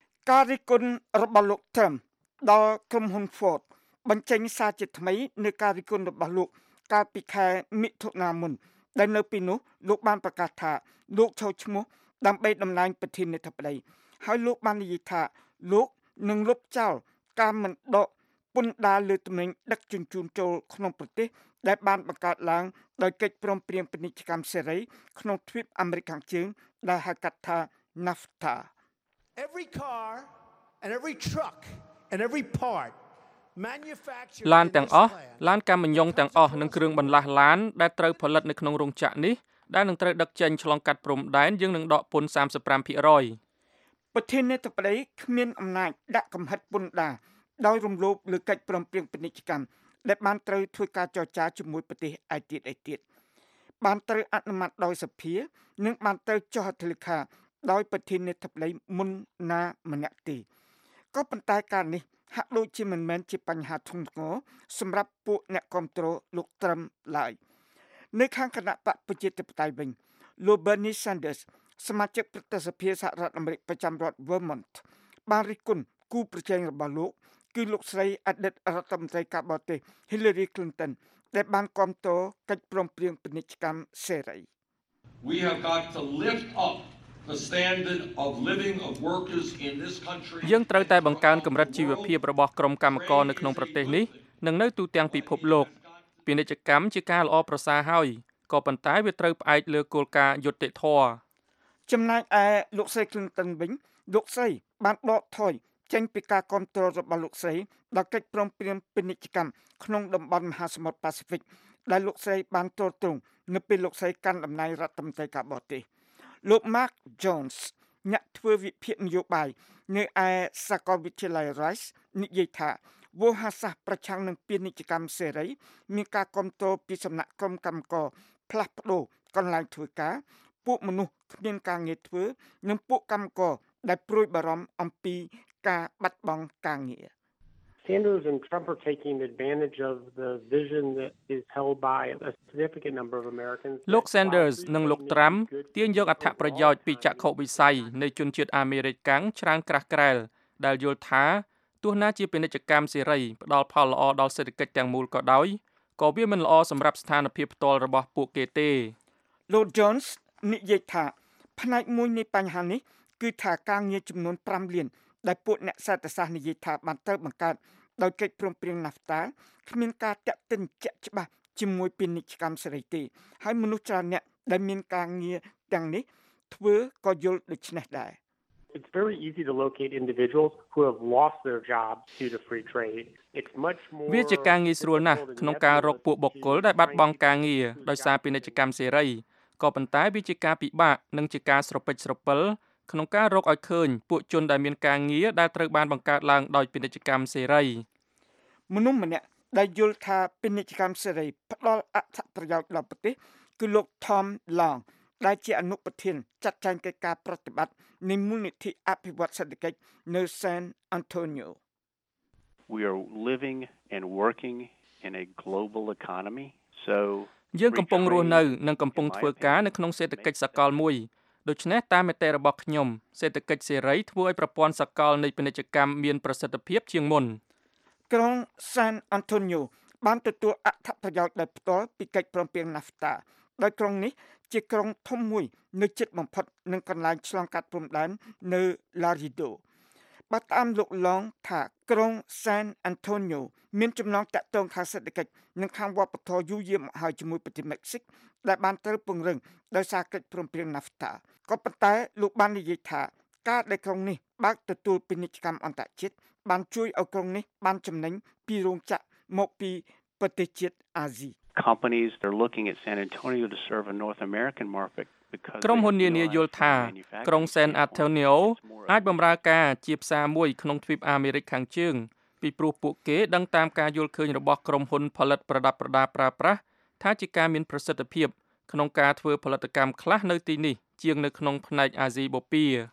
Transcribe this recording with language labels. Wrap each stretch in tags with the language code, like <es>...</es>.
<km>ការរិះគន់របស់លោក Trump ដល់ក្រុមហ៊ុន Ford បញ្ចេញសារជាថ្មីនៅការរិះគន់របស់លោកកាលពីខែមិថុនាមុនដែលនៅពីនោះលោកបានប្រកាសថាលោកឈោឈ្មោះដើម្បីដំណែងប្រធានាធិបតីហើយលោកបាននិយាយថាលោកនឹងលុបចោលការមិនដកពន្ធដារលើទំនិញដឹកជញ្ជូនចូលក្នុងប្រទេសដែលបានបង្កើតឡើងដោយកិច្ចព្រមព្រៀងពាណិជ្ជកម្មសេរីក្នុងទ្វីបអាមេរិកខាងជើងដែលហៅកាត់ថា NAFTA</km> <en>Every car and every truck and every part manufactured</en> <km>ឡានទាំងអស់ឡានកាមញ៉ុងទាំងអស់និងគ្រឿងបន្លាស់ឡានដែលត្រូវផលិតនៅក្នុងរោងចក្រនេះដែលនឹងត្រូវដឹកចេញឆ្លងកាត់ព្រំដែនយើងនឹងដកពន្ធ 35% ប្រធានាធិបតីគ្មានអំណាចដាក់កំហិតពន្ធដារដោយរំលោភលើកិច្ចព្រមព្រៀងពាណិជ្ជកម្មដែលបានត្រូវធ្វើការចរចាជាមួយប្រទេសឯទៀតឯទៀត បានត្រូវអនុម័តដោយសភានិងបានត្រូវចុះហត្ថលេខាដោយប្រធានាធិបតីមុនណាម្នាក់ទេក៏ប៉ុន្តែការនេះហាក់ដូចជាមិនមែនជាបញ្ហាធ្ងន់ធ្ងរសម្រាប់ពួកអ្នកគ្រប់គ្រងលោកត្រឹមឡើយ នៅខាងគណៈបកប្រជាធិបតេយ្យវិញលោក Bernie Sandersសមាជិកប្រតិភូសហរដ្ឋអាមេរិកប្រចាំរដ្ឋ Vermont បានរិះគន់គូប្រជែងរបស់លោកគឺលោកស្រីអតីតរដ្ឋមន្ត្រីការបរទេស Hillary Clinton ដែលបានគាំទ្រកិច្ចព្រមព្រៀងពាណិជ្ជកម្មសេរី</km> <en>We have got to lift up the standard of living of workers in this country</en> <km>យើងត្រូវតែបង្កើនកម្រិតជីវភាពរបស់ក្រុមកម្មករនៅក្នុងប្រទេសនេះនិងនៅទូទាំងពិភពលោកពាណិជ្ជកម្មជាការល្អប្រសើរហើយក៏ប៉ុន្តែវាត្រូវផ្អែកលើគោលការណ៍យុត្តិធម៌ ចំណែកឯលោកស្រី Clinton វិញលោកស្រីបានដកថយចេញពីការគាំទ្ររបស់លោកស្រីដល់កិច្ចព្រមព្រៀងពាណិជ្ជកម្មក្នុងតំបន់មហាសមុទ្រប៉ាស៊ីហ្វិកដែលលោកស្រីបានទទួលទ្រង់នៅពេលលោកស្រីកាន់តំណែងរដ្ឋមន្ត្រីការបរទេស លោក Mark Jones អ្នកធ្វើវិភាគនយោបាយនៅឯសាកលវិទ្យាល័យ Rice និយាយថាវោហារសាស្ត្រប្រឆាំងនឹងពាណិជ្ជកម្មសេរីមានការគាំទ្រពីសំណាក់ក្រុមកម្មករផ្លាស់ប្ដូរកន្លែងធ្វើការពួកមនុស្សគ្មានការងារធ្វើនិងពួកកម្មករដែលព្រួយបារម្ភអំពីការបាត់បង់ការងារ</km> <en>Sanders and Trump are taking advantage of the vision that is held by a significant number of Americans</en> <km>លោក Sanders និងលោក Trump ទាញយកអត្ថប្រយោជន៍ពីចក្ខុវិស័យនៃជនជាតិអាមេរិកកាំងច្រើនក្រាស់ក្រែលដែលយល់ថាទោះណាជាពាណិជ្ជកម្មសេរីផ្ដល់ផលល្អដល់សេដ្ឋកិច្ចទាំងមូលក៏ដោយក៏វាមិនល្អសម្រាប់ស្ថានភាពផ្ទាល់របស់ពួកគេទេ លោក Jones និយាយថាផ្នែកមួយនៃបញ្ហានេះគឺថាការងារចំនួន5លានដែលពួកអ្នកសេដ្ឋសាស្ត្រនិយាយថាបានត្រូវបង្កើតដោយកិច្ចព្រមព្រៀង NAFTA គ្មានការតាក់ទិនជាក់ច្បាស់ជាមួយពាណិជ្ជកម្មសេរីទេហើយមនុស្សច្រើនអ្នកដែលមានការងារទាំងនេះធ្វើក៏យល់ដូច្នេះដែរ</km> <en>It's very easy to locate individuals who have lost their jobs due to free trade. It's much more</en> <km>វាជាការងារស្រួលណាស់ក្នុងការរកពួកបុគ្គលដែលបាត់បង់ការងារដោយសារពាណិជ្ជកម្មសេរីក៏ប៉ុន្តែវាជាការពិបាកនិងជាការស្រពិចស្រពិលក្នុងការរកឲ្យឃើញពួកជនដែលមានការងារដែលត្រូវបានបង្កើតឡើងដោយពាណិជ្ជកម្មសេរី មនុស្សម្នាក់ដែលយល់ថាពាណិជ្ជកម្មសេរីផ្ដល់អត្ថប្រយោជន៍ដល់ប្រទេសគឺលោក Tom Long ដែលជាអនុប្រធានចាត់ចែងកិច្ចការប្រតិបត្តិនៃមូលនិធិអភិវឌ្ឍសេដ្ឋកិច្ចនៅ San Antonio</km> <en>We are living and working in a global economy so</en> <km>យើងកំពុងរស់នៅនិងកំពុងធ្វើការនៅក្នុងសេដ្ឋកិច្ចសកលមួយដូច្នេះតាមមតិរបស់ខ្ញុំសេដ្ឋកិច្ចសេរីធ្វើឲ្យប្រព័ន្ធសកលនៃពាណិជ្ជកម្មមានប្រសិទ្ធភាពជាងមុន ក្រុង San Antonio បានទទួលអត្ថប្រយោជន៍ដោយផ្ទាល់ពីកិច្ចព្រមព្រៀង NAFTA ដោយក្រុងនេះជាក្រុងធំមួយនៅជិតបំផុតនឹងកន្លែងឆ្លងកាត់ព្រំដែននៅ Laredo បាទតាមលោកឡងថាក្រុង San Antonio មានចំណងតាក់ទងខាងសេដ្ឋកិច្ចនិងខាងវប្បធម៌យូរយារមកហើយជាមួយប្រទេសមិចស៊ិក ដែលបានត្រូវពង្រឹងដោយសារកិច្ចព្រមព្រៀង NAFTA ក៏ប៉ុន្តែលោកបាននិយាយថាការដែលក្រុងនេះបើកទទួលពាណិជ្ជកម្មអន្តរជាតិបានជួយឲ្យក្រុងនេះបានចំណេញពីរោងចក្រមកពីប្រទេសជាតិអាស៊ី</km> <en>Companies are looking at San Antonio to serve a North American market because</en> <km>ក្រុមហ៊ុននានាយល់ថាក្រុង San Antonio អាចបម្រើការជាផ្សារមួយក្នុងទ្វីបអាមេរិកខាងជើងពីព្រោះពួកគេដឹងតាមការយល់ឃើញរបស់ក្រុមហ៊ុនផលិតប្រដាប់ប្រដាប្រើប្រាស់ថាជាការមានប្រសិទ្ធភាពក្នុងការធ្វើផលិតកម្មខ្លះនៅទីនេះជាងនៅក្នុងផ្នែកអាស៊ីបូព៌ា</km>